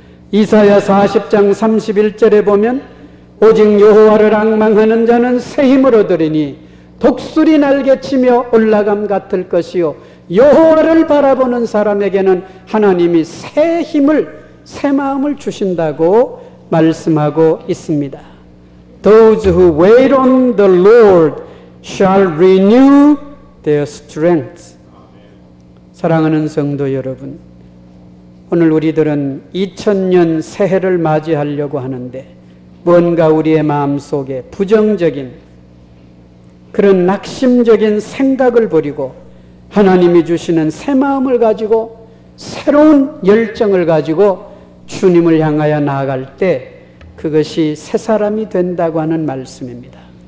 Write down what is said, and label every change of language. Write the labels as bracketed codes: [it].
[ko] 이사야 40장 31절에 보면 오직 여호와를 앙망하는 자는 새 힘을 얻으리니 독수리 날개치며 올라감 같을 것이요 여호와를 바라보는 사람에게는 하나님이 새 힘을, 새 마음을 주신다고 말씀하고 있습니다. [en] Those who wait on the Lord shall renew their strength. [ko] 사랑하는 성도 여러분, 오늘 우리들은 2000년 새해를 맞이하려고 하는데 뭔가 우리의 마음속에 부정적인 그런 낙심적인 생각을 버리고 하나님이 주시는 새 마음을 가지고 새로운 열정을 가지고 주님을 향하여 나아갈 때 그것이 새 사람이 된다고 하는 말씀입니다.